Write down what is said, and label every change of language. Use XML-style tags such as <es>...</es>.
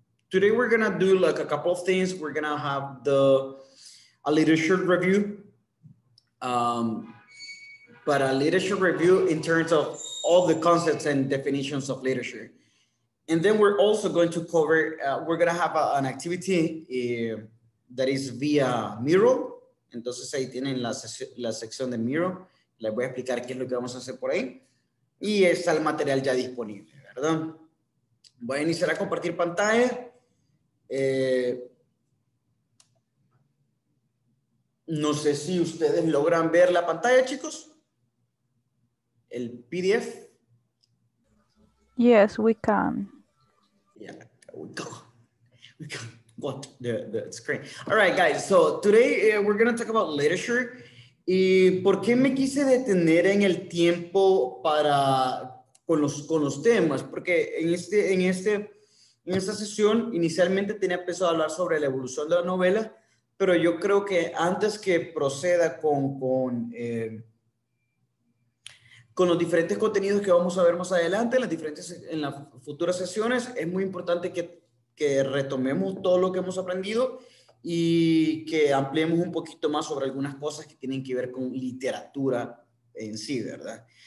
<en>Today we're gonna do like a couple of things. We're gonna have a leadership review, but a leadership review in terms of all the concepts and definitions of leadership. And then we're also going to cover, we're going to have an activity that is via Miro.</en> <es>Entonces ahí tienen la sección de Miro. Les voy a explicar qué es lo que vamos a hacer por ahí. Y está el material ya disponible, ¿verdad? Voy a iniciar a compartir pantalla. No sé si ustedes logran ver la pantalla, chicos. El PDF.</es> <en>Yes, we can. Yeah, we can watch the screen. All right, guys. So today we're going to talk about literature.</en> <es>¿Y por qué me quise detener en el tiempo para con los temas? Porque en esta sesión inicialmente tenía pensado hablar sobre la evolución de la novela, pero yo creo que antes que proceda con los diferentes contenidos que vamos a ver más adelante en las futuras sesiones, es muy importante que retomemos todo lo que hemos aprendido y que ampliemos un poquito más sobre algunas cosas que tienen que ver con literatura en sí, ¿verdad?</es>